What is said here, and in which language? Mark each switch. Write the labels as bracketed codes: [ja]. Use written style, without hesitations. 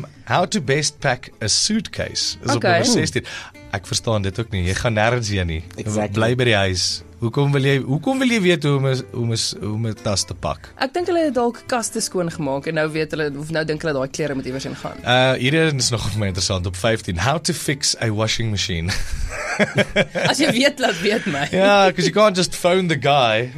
[en] How to best pack a suitcase. [af] Is okay. Op nummer 16. Ek verstaan dit ook nie. Jy gaan nergens hier nie. [en] Exactly. [af] Bly by die huis. Hoekom wil jy weet hoe my tas te pak? Ek dink hulle het dalk kaste skoon gemaak en nou weet hulle, of nou dink hulle daai klere moet iewers in gaan. Hierdie is nog my interessant, op 15. [en] How to fix a washing machine. [af] As jy weet, laat weet my. [en] Ja, because you can't just phone the guy.